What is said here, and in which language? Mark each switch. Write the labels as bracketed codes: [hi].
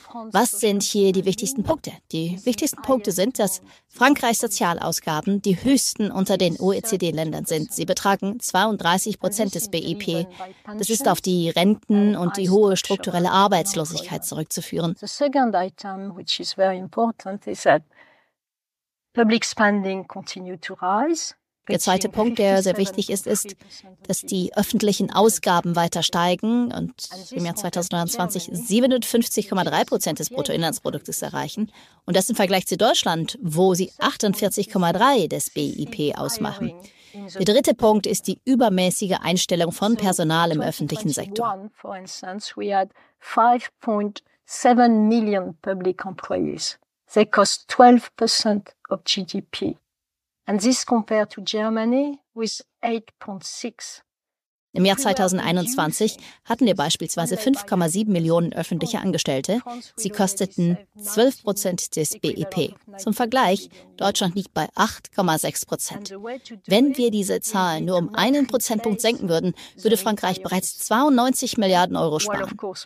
[de] Was sind hier die wichtigsten Punkte? Die wichtigsten Punkte sind, dass Frankreichs Sozialausgaben die höchsten unter den OECD-Ländern sind. Sie betragen 32% des BIP. Das ist auf die Renten und die hohe strukturelle Arbeitslosigkeit zurückzuführen. [en] The second item, which is very important, is that public spending continues to rise. [de] Der zweite Punkt, der sehr wichtig ist, ist, dass die öffentlichen Ausgaben weiter steigen und im Jahr 2020 57,3% des Bruttoinlandsproduktes erreichen. Und das im Vergleich zu Deutschland, wo sie 48,3% des BIP ausmachen. Der dritte Punkt ist die übermäßige Einstellung von Personal im öffentlichen Sektor. [en] For instance, we had 5.7 million public employees. They cost 12% of GDP. And this compared to Germany with 8.6. [de] Im Jahr 2021 hatten wir beispielsweise 5,7 Millionen öffentliche Angestellte. Sie kosteten 12% des BIP. Zum Vergleich, Deutschland liegt bei 8,6%. Wenn wir diese Zahlen nur um einen Prozentpunkt senken würden, würde Frankreich bereits 92 Milliarden Euro sparen.